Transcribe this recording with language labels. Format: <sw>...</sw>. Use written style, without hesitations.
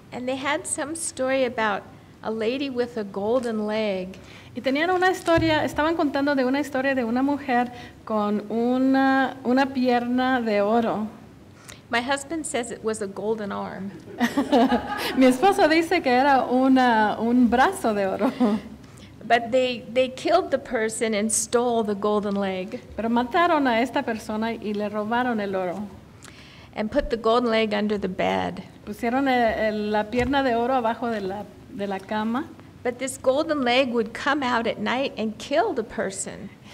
<en>And they had some story about a lady with a golden leg.</en> <es>Y tenían una historia, estaban contando de una historia de una mujer con una pierna de oro.</es> <en>My husband says it was a golden arm.</en> <es>Mi esposo dice que era un brazo de oro.</es> <en>But they killed the person and stole the golden leg.</en> <es>Pero mataron a esta persona y le robaron el oro.</es> <en>And put the golden leg under the bed.</en> <es>Pusieron la pierna de oro abajo de la cama.</es> <en>But this golden leg would come out at night and kill the person.</en>